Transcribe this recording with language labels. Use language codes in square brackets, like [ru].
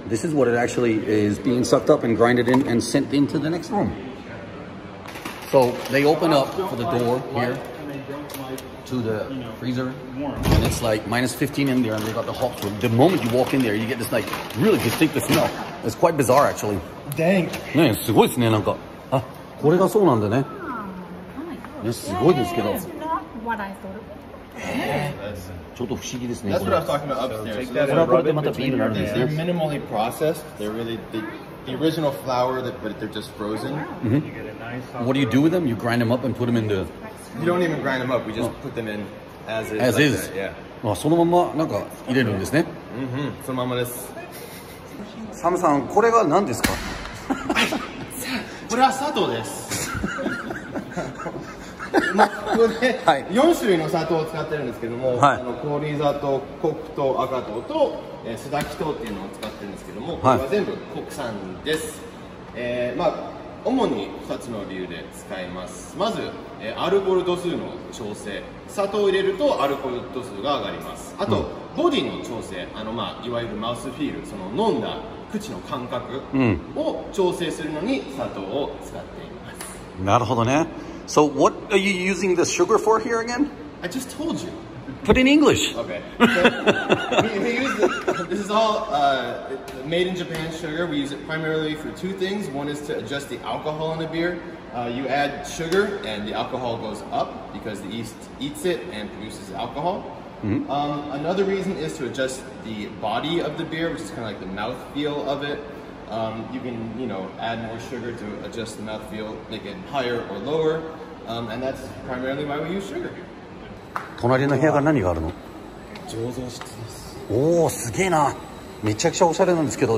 [en] This is what it actually is being sucked up and grinded in and sent into the next room. So they open up for the door here to the freezer, and it's like minus 15 in there, and they got the hot food. The moment you walk in there, you get this like really distinctive smell. It's quite bizarre, actually. Dank. [ja] ね、すごいですね、なんか。あ、これがそうなんだね。ね、すごいですけど。ちょっと不思議ですね。これはこれでまたビールになるんですね。 [en] They're minimally processed. They're really the original flour, but they're just frozen. What do you do with them? You grind them up and put them in the... You don't even grind them up. We just put them in as is. As is. Yeah. [ja] そのままなんか入れるんですね。そのままです。サムさん、これが何ですか？これは砂糖です。ここで4種類の砂糖を使ってるんですけども、はい、あの氷砂糖、黒糖、赤糖と、すだき糖っていうのを使ってるんですけども、はい、これは全部国産です、まあ、主に2つの理由で使います。まず、アルコール度数の調整、砂糖を入れるとアルコール度数が上がります。あと、うん、ボディの調整、あの、まあ、いわゆるマウスフィール、その飲んだ口の感覚を調整するのに砂糖を使っています。なるほどね。 [en] So what are you using the sugar for here again? I just told you. Put in English. Okay. So, we use this is all made in Japan sugar. We use it primarily for two things. One is to adjust the alcohol in the beer. You add sugar and the alcohol goes up because the yeast eats it and produces alcohol. Another reason is to adjust the body of the beer, which is kind of like the mouthfeel of it. You can, you know, add more sugar to adjust the mouthfeel, make it higher or lower. And that's primarily why we use sugar. [ja] 隣の部屋から何があるの？醸造室です。おお、すげえな。めちゃくちゃおしゃれなんですけど。